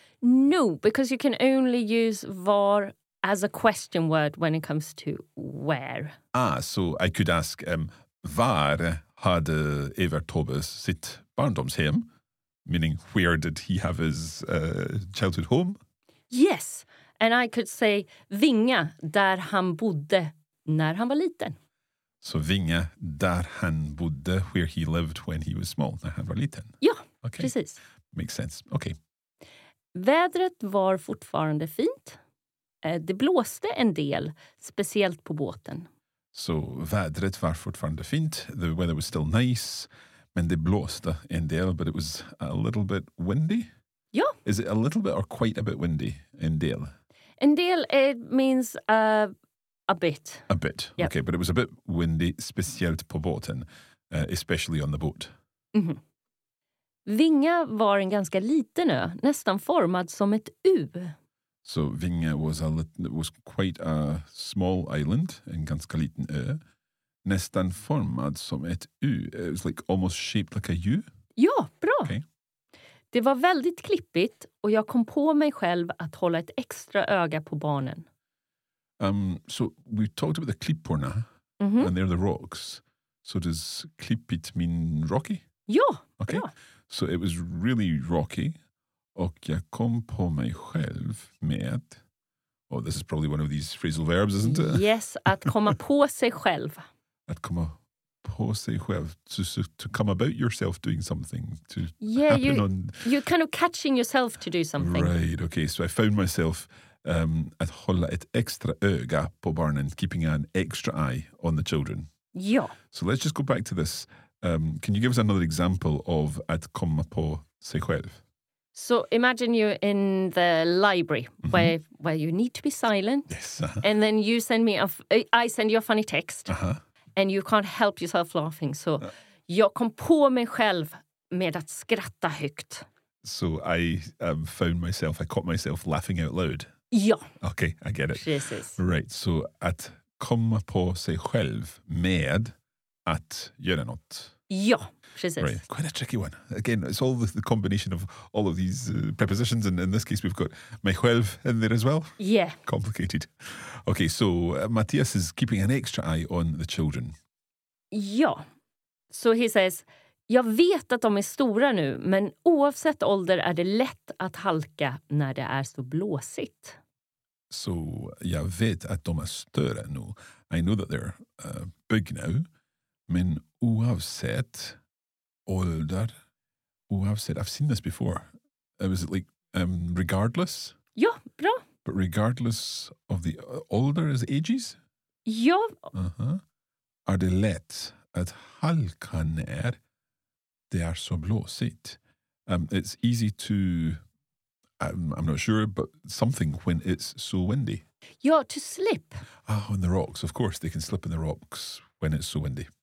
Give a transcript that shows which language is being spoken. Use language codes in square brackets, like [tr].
[en] No, because you can only use var as a question word when it comes to where. Ah, so I could ask, [sv] var hade Evert Taube sitt barndomshem, [en] meaning where did he have his childhood home? Yes, and I could say [sv] Vinga, där han bodde när han var liten. [en] So Vinga, [sv] där han bodde, [en] where he lived when he was small, [sv] när han var liten. Ja, okay. Precis. [en] Makes sense, okay. [sv] Vädret var fortfarande fint. Det blåste en del, speciellt på båten. So, vädret var fortfarande fint. [en] The weather was still nice, [sv] men det blåste en del, [en] but it was a little bit windy. [sv] Ja. [en] Is it a little bit or quite a bit windy, en del? En del, it means a bit. A bit, yep. Okay, but it was a bit windy, [sv] speciellt på båten, [en] especially on the boat. Mm-hmm. [sv] Vinga var en ganska liten ö, nästan formad som ett U. [en] So Vinga was quite a small island, [sv] en ganska liten ö, nästan formad som ett U. [en] It was like almost shaped like a U. [sv] Ja, bra. [en] Okay. [sv] Det var väldigt klippigt och jag kom på mig själv att hålla ett extra öga på barnen. [en] So we talked about the klipporna, and they're the rocks. So does klippigt mean rocky? [sv] Ja, [en] okay. [sv] Bra. [en] So it was really rocky. [sv] Och jag kom på mig själv med, [en] oh, this is probably one of these phrasal verbs, isn't it? [sv] Yes, att komma på sig själv. Att komma på sig själv, [en] to come about yourself doing something, to you're kind of catching yourself to do something. Right, okay, so I found myself [sv] att hålla ett extra öga på barnen, [en] keeping an extra eye on the children. [sv] Ja. [en] So let's just go back to this. Can you give us another example of att komma på sig själv? So imagine you're in the library where you need to be silent. Yes. Uh-huh. And then you send me I send you a funny text. Uh-huh. And you can't help yourself laughing. [sv] So jag kom på mig själv med att skratta högt. [en] So I I caught myself laughing out loud. [sv] Ja. [en] Okay, I get it. Jesus. [sv] Right, so att komma på sig själv med att göra något. Ja, precis. [en] Right. Quite a tricky one. Again, it's all the combination of all of these prepositions. And in this case, we've got myself in there as well. Yeah. Complicated. Okay, so Matthias is keeping an extra eye on the children. [sv] Ja. [en] So he says, [sv] jag vet att de är stora nu, men oavsett ålder är det lätt att halka när det är så blåsigt. So, jag vet att de är stora nu. [en] I know that they're big now. [sv] Men oavsett ålder, [en] oavsett, I've seen this before. Was it like regardless? [sv] Ja, bra. [en] But regardless of the older is ages? [sv] Ja. Uh-huh. Är det lätt att halka när det är så blåsigt? [en] It's easy to, I'm not sure, but something when it's so windy. Ja, to slip. Oh, in the rocks, of course. They can slip in the rocks when it's so windy.